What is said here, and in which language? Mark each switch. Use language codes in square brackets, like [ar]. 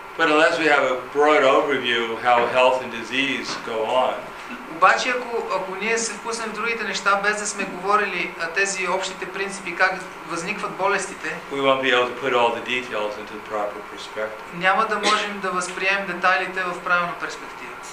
[en] But unless we have a broad overview of how health and disease go on. [bg] Обаче ако ние се впуснем в другите неща, без да сме говорили тези общите принципи, как възникват болестите, [en] we won't be able to put all the details into the proper perspective. [bg] Няма да можем да възприемем детайлите в правилна перспектива.